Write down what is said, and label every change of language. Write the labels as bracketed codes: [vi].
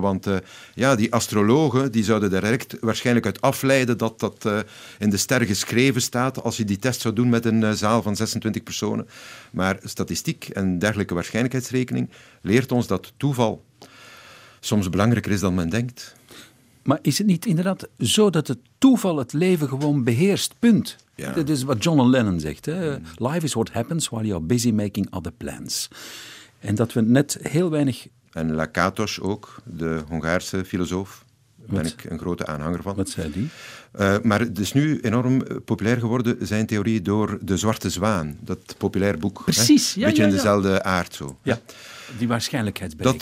[nl] Want die astrologen die zouden daar direct waarschijnlijk uit afleiden dat dat in de ster geschreven staat als je die test zou doen met een zaal van 26 personen. Maar statistiek en dergelijke waarschijnlijkheidsrekening leert ons dat toeval soms belangrijker is dan men denkt. Maar is het niet inderdaad zo dat het toeval het leven gewoon beheerst? Punt. Ja. Dat is wat John Lennon zegt. Hè? [en] Life is what happens while you're busy making other plans. [nl] En dat we net heel weinig... En Lakatos ook, de Hongaarse filosoof. Daar ben ik een grote aanhanger van. Wat zei die? Maar het is nu enorm populair geworden, zijn theorie, door De Zwarte Zwaan. Dat populair boek. Precies. Een beetje in dezelfde aard zo. Ja. Die waarschijnlijkheidsberekening.